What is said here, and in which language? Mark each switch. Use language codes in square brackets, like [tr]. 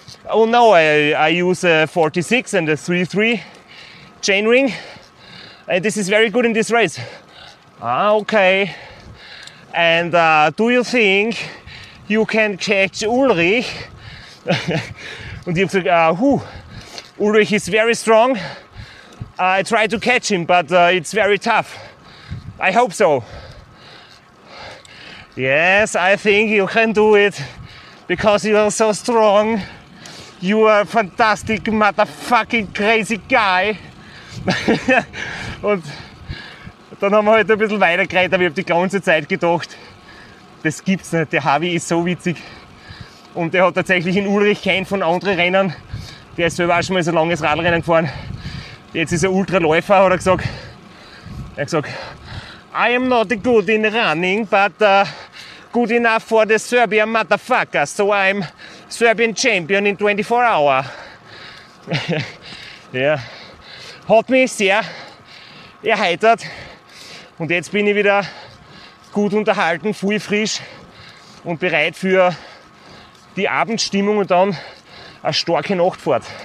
[en] Oh no, I use a 46 and a 33 chain ring. This is very good in this race. Ah, okay. And do you think you can catch Ulrich? [de] Und ich hab gesagt, [en] Ulrich is very strong. I try to catch him, but it's very tough. I hope so. Yes, I think you can do it because you are so strong. You are a fantastic, motherfucking crazy guy. [de] Und dann haben wir halt ein bisschen weiter geredet, aber ich habe die ganze Zeit gedacht, das gibt's nicht. Der Javi ist so witzig. Und der hat tatsächlich in Ulrich keinen von anderen Rennern. Der ist selber auch schon mal so ein langes Radrennen gefahren. Jetzt ist er Ultraläufer, hat er gesagt. Er hat gesagt, [en] I am not good in running, but good enough for the Serbian motherfucker. So I'm Serbian champion in 24 hours. [de] Ja, hat mich sehr erheitert. Und jetzt bin ich wieder gut unterhalten, voll frisch und bereit für die Abendstimmung und dann eine starke Nachtfahrt.